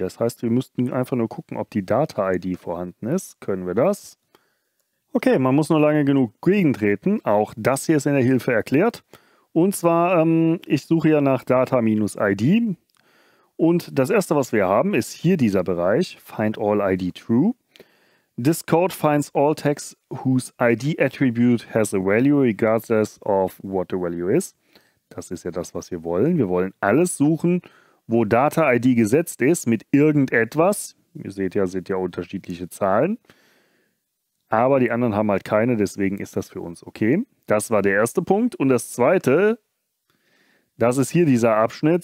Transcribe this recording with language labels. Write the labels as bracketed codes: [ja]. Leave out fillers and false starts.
[de] Das heißt, wir müssten einfach nur gucken, ob die Data-ID vorhanden ist. Können wir das? Okay, man muss nur lange genug gegentreten. Auch das hier ist in der Hilfe erklärt. Und zwar, ich suche ja nach Data-ID. Und das erste, was wir haben, ist hier dieser Bereich. [en] Find all ID true. This code finds all text whose ID attribute has a value regardless of what the value is. [de] Das ist ja das, was wir wollen. Wir wollen alles suchen, wo Data-ID gesetzt ist mit irgendetwas. Ihr seht ja unterschiedliche Zahlen. Aber die anderen haben halt keine, deswegen ist das für uns okay. Das war der erste Punkt. Und das zweite, das ist hier dieser Abschnitt.